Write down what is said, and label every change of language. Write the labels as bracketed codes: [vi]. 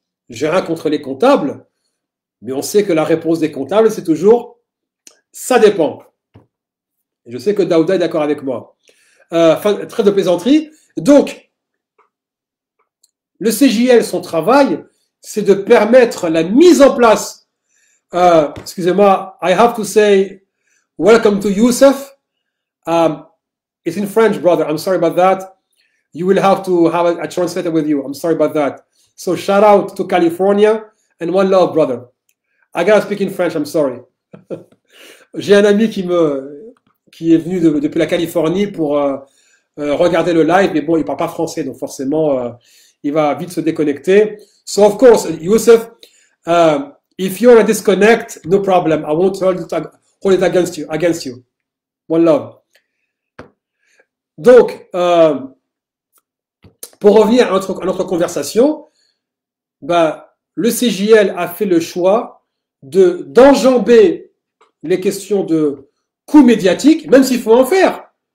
[fr] J'ai rien contre les comptables, mais on sait que la réponse des comptables, c'est toujours, ça dépend. Je sais que Daouda est d'accord avec moi. Enfin, trait de plaisanterie. Donc, le CJL, son travail, c'est de permettre la mise en place. Excusez-moi, [en] I have to say welcome to Youssef. It's in French, brother. I'm sorry about that. You will have to have a translator with you. I'm sorry about that. So shout out to California and one love, brother. I gotta speak in French, I'm sorry. J'ai un ami qui est venu depuis la Californie pour regarder le live, mais bon, il parle pas français, donc forcément, il va vite se déconnecter. So of course, Youssef, if you're a disconnect, no problem. I won't hold it against you. One love. [fr] Donc, pour revenir à notre conversation, bah, le CJL a fait le choix d'enjamber les questions de coûts médiatiques, même s'il faut en faire.